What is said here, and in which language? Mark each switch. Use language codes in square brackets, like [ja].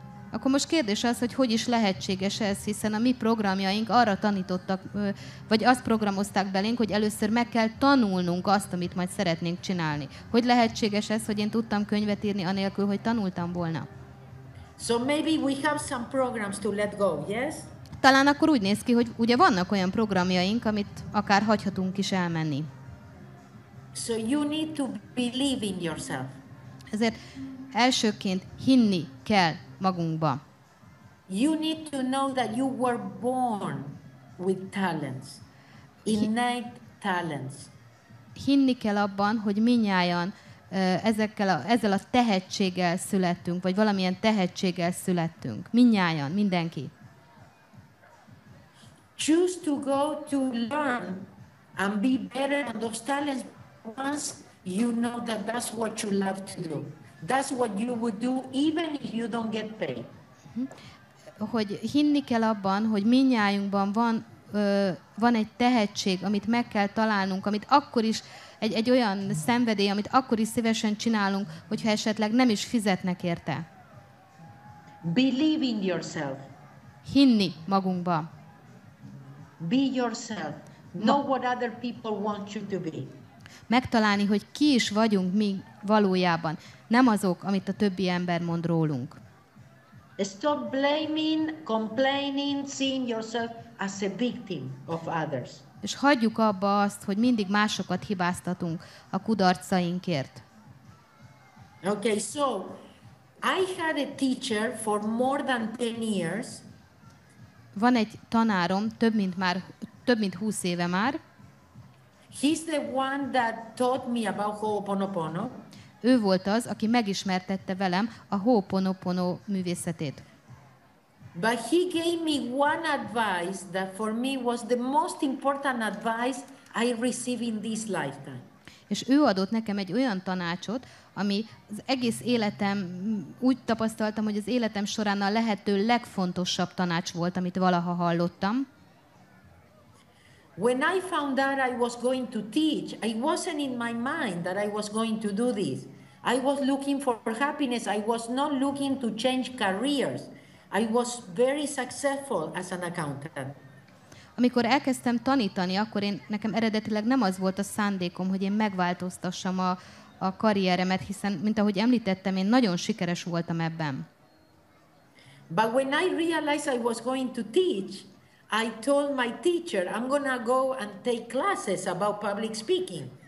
[hu] Akkor most kérdés az, hogy hogyan is lehetséges ez, hiszen a mi programjaink arra tanítottak, vagy azt programozták belénk, hogy először meg kell tanulnunk azt, amit majd szeretnénk csinálni. Hogy lehetséges ez, hogy én tudtam könyvet írni anélkül, hogy tanultam volna? [en] So maybe we have some programs to let go, yes? [hu] Talán akkor úgy néz ki, hogy ugye vannak olyan programjaink, amit akár hagyhatunk is elmenni. [en] So you need to believe in yourself. [hu] Ezért elsőként hinni kell magunkba. [en] You need to know that you were born with talents, innate talents. [hu] Hinni kell abban, hogy minnyájan ezzel a tehetséggel születtünk, vagy valamilyen tehetséggel születtünk. Minnyájan, mindenki. [en] Choose to go to learn and be better on those talents once you know that that's what you love to do. That's what you would do even if you don't get paid. [hu] Hogy hinni kell abban, hogy mindnyájunkban van egy tehetség, amit meg kell találnunk, amit akkor is egy olyan szenvedély, amit akkor is szívesen csinálunk, hogyha esetleg nem is fizetnek érte. [en] Believe in yourself. [hu] Hinni magunkba. [en] Be yourself. Know what other people want you to be. [hu] Megtalálni, hogy ki is vagyunk mi valójában. Nem azok, amit a többi ember mond rólunk. [en] Stop blaming, complaining, seeing yourself as a victim of others. [hu] És hagyjuk abba azt, hogy mindig másokat hibáztatunk a kudarcainkért. [en] Okay, so I had a teacher for more than 10 years. [hu] Van egy tanárom, több mint 20 éve már. [en] He's the one that taught me about Ho'oponopono. [hu] Ő volt az, aki megismertette velem a Ho'oponopono művészetét. [en] But he gave me one advice that for me was the most important advice I receive in this lifetime. [hu] És ő adott nekem egy olyan tanácsot, ami az egész életem, úgy tapasztaltam, hogy az életem során a lehető legfontosabb tanács volt, amit valaha hallottam. [en] When I found out I was going to teach, it wasn't in my mind that I was going to do this. I was looking for happiness. I was not looking to change careers. I was very successful as an accountant. [hu] Amikor elkezdtem tanítani, akkor nekem eredetileg nem az volt a szándékom, hogy én megváltoztassam a karrieremet, hiszen, mint ahogy említettem, én nagyon sikeres voltam ebben. [en] But when I realized I was going to teach, I told my teacher, I'm gonna go and take classes about public speaking.